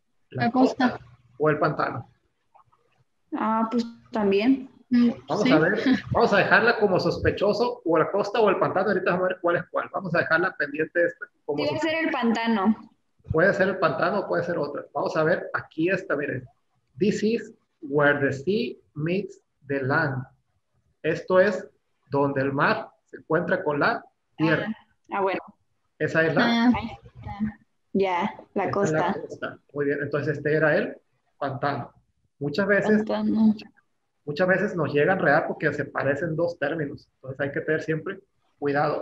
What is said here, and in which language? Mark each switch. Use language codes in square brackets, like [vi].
[es] La costa. O el pantano. Ah, pues también. Vamos sí. A ver, vamos a dejarla como sospechoso, o la costa o el pantano, ahorita vamos a ver cuál es cuál. Vamos a dejarla pendiente esta. Como debe ser el pantano. Puede ser el pantano o puede ser otra. Vamos a ver, aquí está, miren. [en] This is where the sea meets the land. [es] Esto es donde el mar se encuentra con la tierra. Ah, bueno. Esa es la... la costa. La costa. Muy bien, entonces este era el pantano. Muchas veces... Pantano. Muchas veces nos llega a enredar porque se parecen dos términos. Entonces hay que tener siempre cuidado.